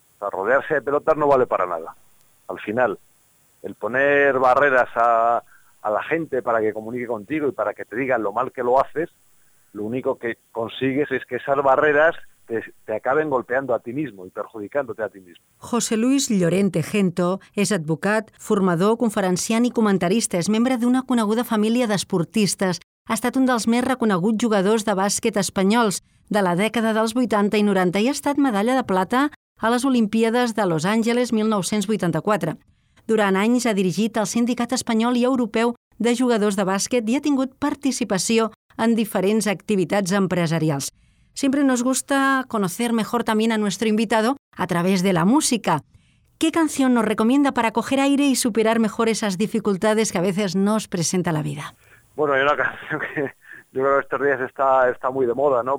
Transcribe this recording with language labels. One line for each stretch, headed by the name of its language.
Spanish: O sea, rodearse de pelotas no vale para nada. Al final, el poner barreras a la gente para que comunique contigo y para que te digan lo mal que lo haces, lo único que consigues es que esas barreras te acaben golpeando a ti mismo y perjudicándote a ti mismo.
Catalan: José Luis Llorente Gento és advocat, formador, conferenciant i comentarista. És membre d'una coneguda família d'esportistes. Ha estat un dels més reconeguts jugadors de bàsquet espanyols de la dècada dels 80 i 90 i ha estat medalla de plata a les Olimpíades de Los Angeles 1984. Durant anys ha dirigit el Sindicat Espanyol i Europeu de Jugadors de Bàsquet i ha tingut participació en diferents activitats empresarials.
Spanish: Siempre nos gusta conocer mejor también a nuestro invitado a través de la música. ¿Qué canción nos recomienda para coger aire y superar mejor esas dificultades que a veces nos presenta la vida? Bueno, hay una canción que yo creo que estos días está muy de moda, ¿no?